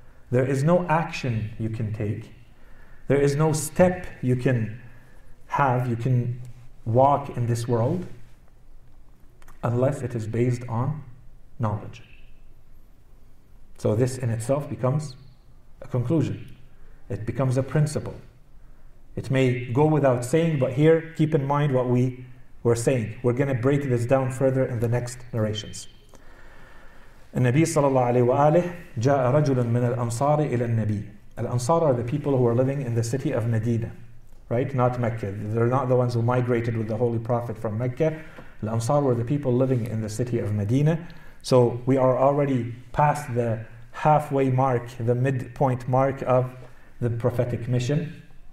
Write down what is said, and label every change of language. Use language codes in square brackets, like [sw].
[en] There is no action you can take. There is no step you can have, you can walk in this world, unless it is based on knowledge. So this in itself becomes a conclusion. It becomes a principle. It may go without saying, but here, keep in mind what we were saying. We're going to break this down further in the next narrations. [ar] النبي صلى الله عليه وآله جاء رجل من الأنصار إلى النبي. [en] Al-Ansar are the people who are living in the city of Medina, right? Not Mecca. They're not the ones who migrated with the Holy Prophet from Mecca. Al-Ansar were the people living in the city of Medina. So we are already past the halfway mark, the midpoint mark of the prophetic mission.